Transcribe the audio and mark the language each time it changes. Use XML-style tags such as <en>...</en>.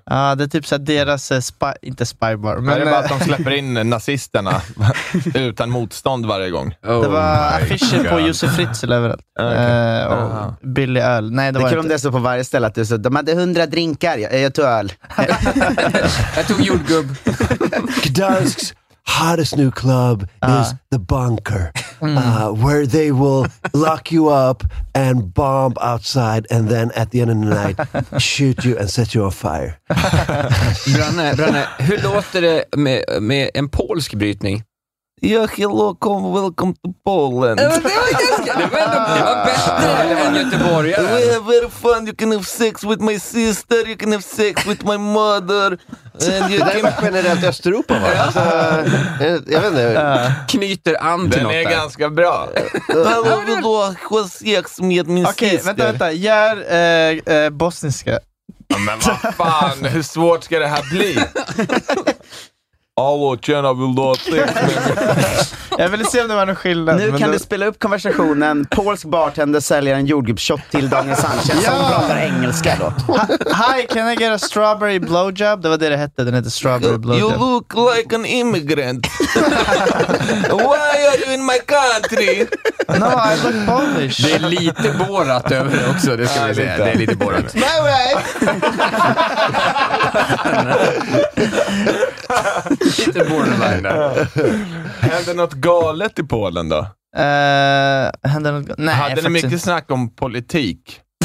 <sv>Ja, det är typ såhär deras inte spybar. Men det är bara att de släpper in nazisterna utan motstånd varje gång. Det var affischer på Josef Fritzl överallt. Och billig öl. Nej, det var kul om det är så på varje ställe att du så, de hade 100 drinkar, jag tog öl. Jag tog jordgubb.</sv> <en>Gdansk's hottest new club is The Bunker. Where they will lock you up and bomb outside and then at the end of the night shoot you and set you on fire.</en> <sv>Branne, hur låter det med en polsk brytning?</sv> <en>Ja, hello, come welcome to Poland.</en> <sv>Det var bättre än Göteborg.</sv> <en>We have very fun. You can have sex with my sister. You can have sex with my mother. And you</en> <sv>det är generellt Östeuropa, va? Alltså, jag vet inte. Knyter an till något. Den är ganska bra. Hallå, vill du ha sex med min syster? Okej, vänta. Jag är bosniska. Ja, men vad fan. Hur svårt ska det här bli? Hallå, tjena, vill du ha sex? Jag ville se om det var någon skillnad. Nu kan du spela upp konversationen. Polsk bartender säljer en jordgubbshot till Daniel Sanchez. Ja! Som pratar engelska då.</sv> <en>Hi, can I get a strawberry blowjob?</en> <sv>Det var det hette, den heter strawberry blowjob.</sv> <en>You look like an immigrant. Why are you in my country? No, I look Polish.</en> <sv>Det är lite borrat över det också, det ska vi säga. Det är lite borrat.</sv> <en>It's my way.</en> <sv>Lite borrat. Hände något galet i Polen då? Nej, hade ni mycket inte snack om politik?</sv>